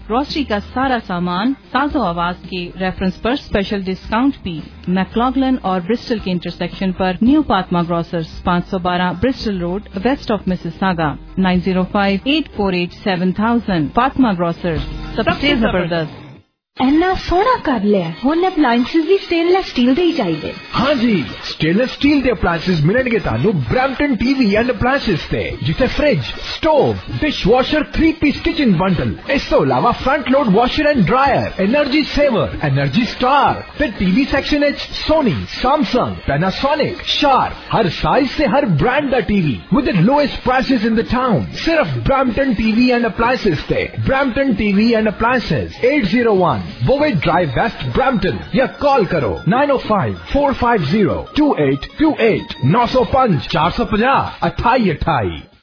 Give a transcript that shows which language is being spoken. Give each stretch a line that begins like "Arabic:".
Hindi: Grocery का सारा सामान साजो आवाज के रेफरेंस पर स्पेशल डिस्काउंट भी। मैकलॉगलन और ब्रिस्टल के इंटरसेक्शन पर new Fatima grocers, 512 Bristol road, waste of Mississauga, 9058487000। Fatima grocers, सबसे जबरदस्त।
Punjabi: ਇੰਨਾ ਸੋਹਣਾ ਕਰ ਲਿਆ, ਹੁਣ ਅਪਲਾਈਂਸਿਸ ਵੀ ਸਟੇਨਲੈਸ ਸਟੀਲ ਦੇ ਹੀ ਚਾਹੀਦੇ। ਹਾਂਜੀ, ਸਟੇਨਲੈਸ ਸਟੀਲ ਦੇ ਅਪਲਾਈਂਸਿਸ ਮਿਲਣਗੇ ਤੁਹਾਨੂੰ ਬ੍ਰੈਂਪਟਨ ਟੀਵੀ ਐਂਡ ਅਪਲਾਈਂਸਿਸ ਤੇ, ਜਿੱਥੇ fridge, stove, dish washer, 3-ਪੀਸ kitchen bundle, ਇਸ ਤੋਂ ਇਲਾਵਾ front load washer and dryer, energy saver, energy star, ਤੇ ਟੀਵੀ ਸੈਕਸ਼ਨ ਵਿੱਚ ਸੋਨੀ, ਸੈਮਸੰਗ, ਪੈਨਾਸੋਨਿਕ, ਸ਼ਾਰਪ, ਹਰ ਸਾਈਜ਼ ਤੇ ਹਰ brand ਦਾ TV
English: with the lowest prices in the town,
Punjabi: ਸਿਰਫ Brampton TV and ਅਪਲਾਈਂਸਿਸ ਤੇ। Brampton TV and ਅਪਲਾਈਂਸਿਸ, 801 Bowie Drive West, Brampton,
Hindi: ya call karo
Punjabi: 905-450-2828-905-450-2828.